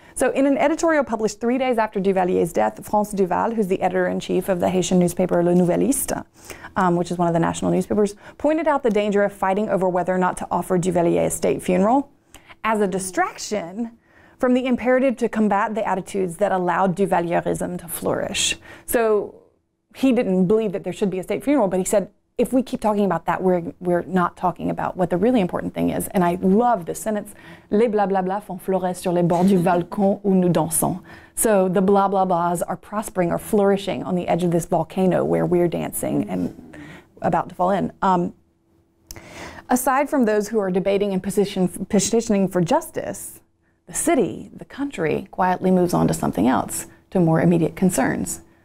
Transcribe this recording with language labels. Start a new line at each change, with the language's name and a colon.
English: So in an editorial published 3 days after Duvalier's death, France Duval, who's the editor-in-chief of the Haitian newspaper Le Nouvelliste, which is one of the national newspapers, pointed out the danger of fighting over whether or not to offer Duvalier a state funeral as a distraction from the imperative to combat the attitudes that allowed Duvalierism to flourish. So he didn't believe that there should be a state funeral, but he said if we keep talking about that, we're not talking about what the really important thing is. And I love the sentence,
French: les blah blah blah font florer sur les bords du volcan où nous dansons.
English: So the blah blah blahs are prospering or flourishing on the edge of this volcano where we're dancing and about to fall in. Aside from those who are debating and petitioning for justice, the city, the country, quietly moves on to something else, to more immediate concerns.